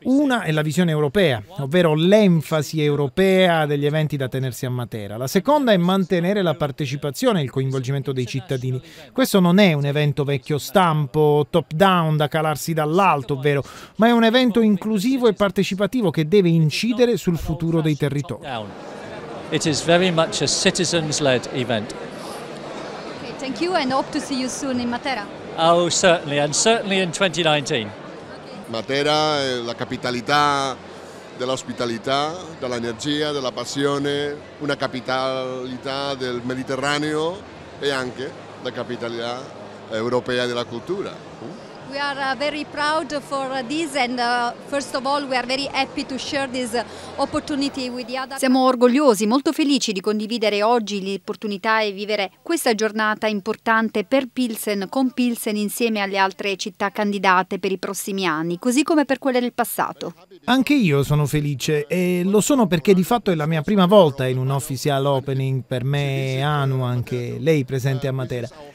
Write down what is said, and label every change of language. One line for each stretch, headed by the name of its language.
Italian: Una è la visione europea, ovvero l'enfasi europea degli eventi da tenersi a Matera. La seconda è mantenere la partecipazione e il coinvolgimento dei cittadini. Questo non è un evento vecchio stampo, top down, da calarsi dall'alto, ovvero, ma è un evento inclusivo e partecipativo che deve incidere sul futuro dei territori.
English: It is very much a citizens-led event. Okay, thank you and hope to see you soon in Matera. Oh, certainly, and certainly in 2019.
Italian: Matera è la capitalità dell'ospitalità, dell'energia, della passione, una capitalità del Mediterraneo e anche la capitalità europea della cultura.
English: We are very proud for this and first of all we are very happy to share this opportunity with the other.
Italian: Siamo orgogliosi, molto felici di condividere oggi l'opportunità e vivere questa giornata importante per Pilsen, con Pilsen insieme alle altre città candidate per i prossimi anni, così come per quelle del passato. Anche io sono felice e lo sono perché di fatto è la mia prima volta in un
English: official opening
Italian: per me e Anu, anche lei presente a Matera.